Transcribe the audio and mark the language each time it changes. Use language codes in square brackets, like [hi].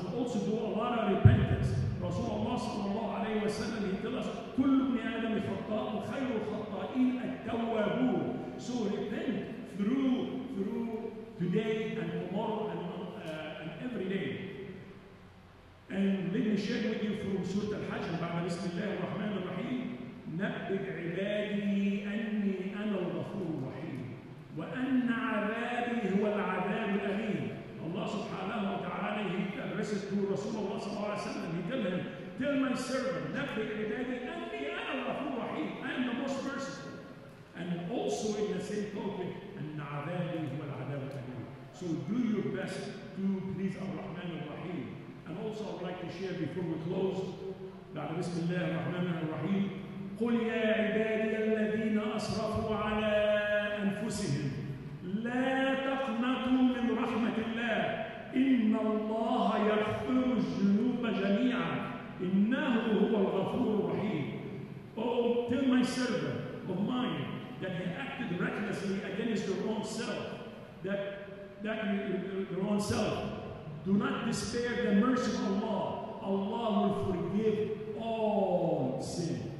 [en] And also do a lot of repentance. Rasulullah sallallahu alayhi wa sallam, he tells us, [ar] كل ابن آدم خطاء خير الخطائين التوابون. [en] So repent through today and tomorrow and every day. And let me share with you from Surah Al-Hajj, [ar] بعد بسم الله الرحمن الرحيم. نبئ عبادي أني أنا الغفور الرحيم وأن عذابي هو العذاب الأليم. [en] Allah subhanahu wa ta'ala, he addressed to Rasulullah sallallahu alayhi wa sallam, he told him, tell my servant, [ar] نبئ عبادي أني أنا الغفور الرحيم, [en] I am the most merciful. And also in the same topic, [ar] أن عذابي هو العذاب الأليم. [en] So do your best to please Ar-Rahman Ar-Rahim. And also, I'd like to share before we close. [ar] بعد بسم الله الرحمن الرحيم. قل يا عبادي الذين أسرفوا على أنفسهم لا تقنطوا من رحمة الله إن الله يغفر الذنوب جميعا إنه هو الغفور الرحيم. [en] Oh, tell my servant of mine that he acted recklessly against their own self. Their own self. Do not despair the mercy of Allah. Allah will forgive all sin.